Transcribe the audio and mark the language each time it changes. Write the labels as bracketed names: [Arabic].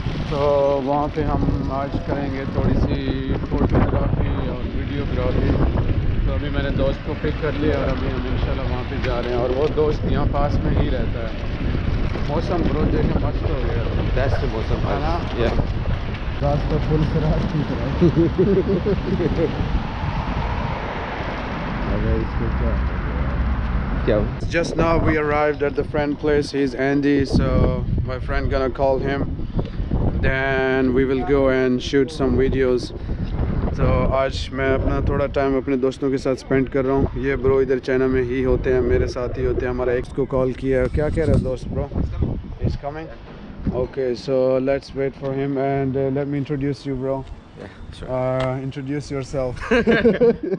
[English] So we will do a little bit of photography and videography. [Hindi] तो अभी मैंने दोस्त को पिक कर लिया और अभी हम इंशाल्लाह वहां पे जा रहे हैं और वो दोस्त यहां पास में ही रहता है मौसम ब्रो देखो मस्त हो गया बेस्ट मौसम है ना या रास्ता फुल खराब की तरह अरे इसको क्या [English] Just now we arrived at the friend place. He's Andy, so my friend gonna call him, then we will go and shoot some videos. [Hindi] तो आज मैं अपना थोड़ा टाइम अपने दोस्तों के साथ स्पेंड कर रहा हूं ये ब्रो इधर चाइना में ही होते हैं मेरे साथ ही होते हैं हमारा एक्स को कॉल किया क्या कह रहा है दोस्त bro [English] is coming okay so let's wait for him and let me introduce you bro introduce yourself